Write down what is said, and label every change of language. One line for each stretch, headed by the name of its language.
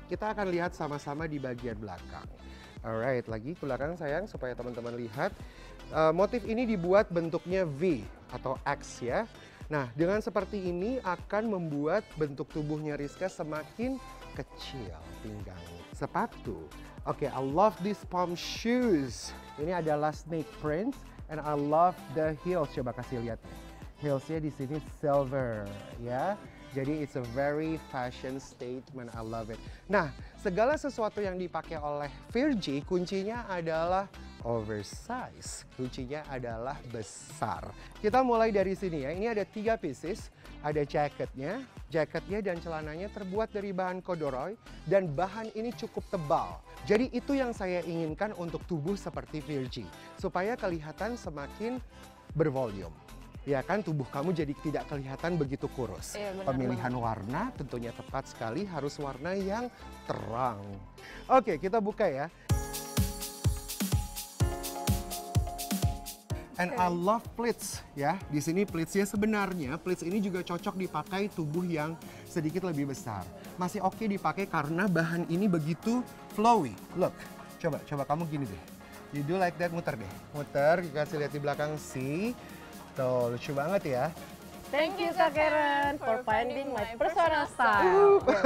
Indonesian: Kita akan lihat sama-sama di bagian belakang. Alright, lagi ke belakang sayang supaya teman-teman lihat. Motif ini dibuat bentuknya V atau X ya. Nah, dengan seperti ini akan membuat bentuk tubuhnya Rizka semakin kecil. Pinggang sepatu.
English: Okay, I love these palm shoes.
Indonesian: Ini adalah
English: snake print and I love the heels.
Indonesian: Coba kasih lihat nih. Heelsnya di sini silver ya. Jadi
English: it's a very fashion statement. I love it.
Indonesian: Nah, segala sesuatu yang dipakai oleh Virgi kuncinya adalah oversize. Kuncinya adalah besar. Kita mulai dari sini ya. Ini ada 3 pieces. Ada jaketnya. Jaketnya dan celananya terbuat dari bahan corduroy. Dan bahan ini cukup tebal. Jadi itu yang saya inginkan untuk tubuh seperti Virgi. Supaya kelihatan semakin bervolume. Ya kan, tubuh kamu jadi tidak kelihatan begitu kurus. Iya, benar. Pemilihan banget. Warna tentunya tepat sekali, harus warna yang terang. Oke, kita buka ya.
English: And I love pleats
Indonesian: ya. Di sini pleatsnya sebenarnya, pleats ini juga cocok dipakai tubuh yang sedikit lebih besar. Masih oke dipakai karena bahan ini begitu flowy. Look, coba kamu gini deh.
English: You do like that,
Indonesian: muter deh. Muter, kasih lihat di belakang sih. Tuh, lucu banget ya.
English: Thank you, Kak Karen, for finding my personal style.